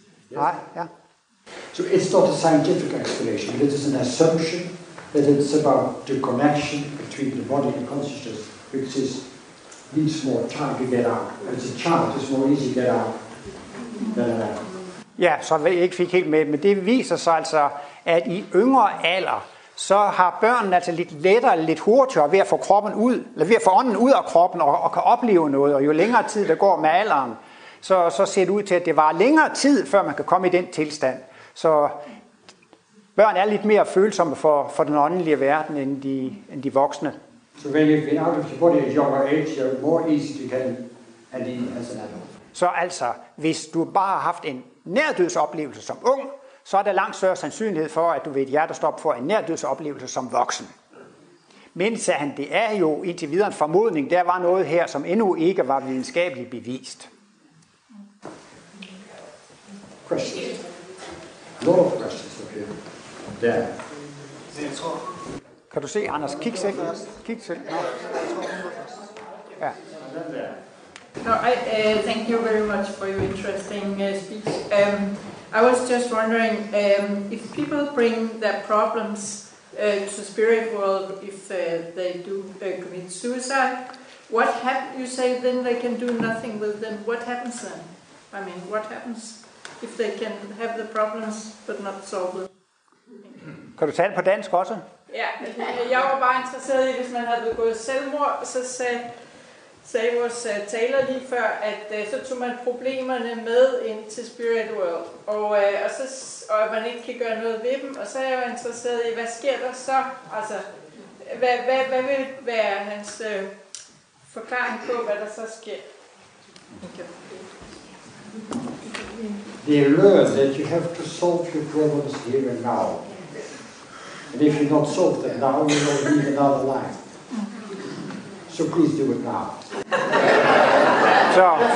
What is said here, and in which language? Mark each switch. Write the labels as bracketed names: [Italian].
[English] Yes. [Danish] Ja. [English] So it's not a scientific explanation, it is an assumption that it's about the connection between the body and consciousness, which is needs more time to get out. As a child, it's more easy to get out than an adult. [Danish] Ja, så jeg ikke fik helt med, men det viser sig altså, at i yngre alder, så har børnene altså lidt lettere, lidt hurtigere ved at få kroppen ud, eller ved at få ånden ud af kroppen og kan opleve noget, og jo længere tid der går med alderen, så ser det ud til, at det var længere tid, før man kan komme i den tilstand. Så børn er lidt mere følsomme for den åndelige verden, end de voksne. [English] So when you've been out of your body at younger age, you're more easy to get and in as an adult. [Danish] Så altså, hvis du bare har haft en nærdødsoplevelse som ung, så er der langt større sandsynlighed for, at du ved et hjertestop får en nærdødsoplevelse som voksen. Men sagde han, det er jo indtil videre en formodning, der var noget her, som endnu ikke var videnskabeligt bevist. [English] Questions. A lot of questions up here. There. [Danish] Kan du se, Anders, kig selv. Kig selv. [English] No. [Danish] Ja. [English] No, thank you very much for your interesting speech. I was just wondering if people bring their problems to the spirit world if they do commit suicide. What happen? You say then they can do nothing with them. What happens then? I mean, what happens if they can have the problems but not solve them? [Danish] Kan du tale på dansk også? Ja, jeg var bare interesseret i, hvis man havde gået selvmord, så sagde vores taler lige før, at så tog man problemerne med ind til Spirit World, og man ikke kan gøre noget ved dem. Og så er jeg jo interesseret i, hvad sker der så? Altså, hvad vil være hans forklaring på, hvad der så sker? [English] They learn that you have to solve your problems here and now. And if you not solve them now, you will need another life. So please do it now. [Danish] Så.